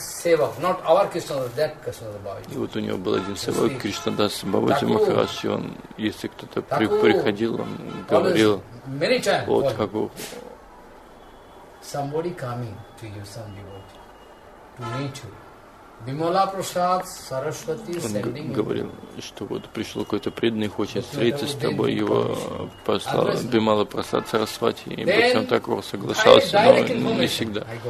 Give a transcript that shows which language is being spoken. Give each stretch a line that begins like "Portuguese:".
Russian: И вот у него был один севак, Кришнадас Бабаджи Махарадж, и он, если кто-то приходил, он говорил, вот как бы...
English: Somebody coming to you, some devotee, to meet you. Bimala Prasad Saraswati sending him.
Russian: Он говорил, что вот пришел какой-то преданный, хочет встретиться с тобой, его послал Бимала Прасад Сарасвати, и Бхактивинода Такур соглашался, но не всегда.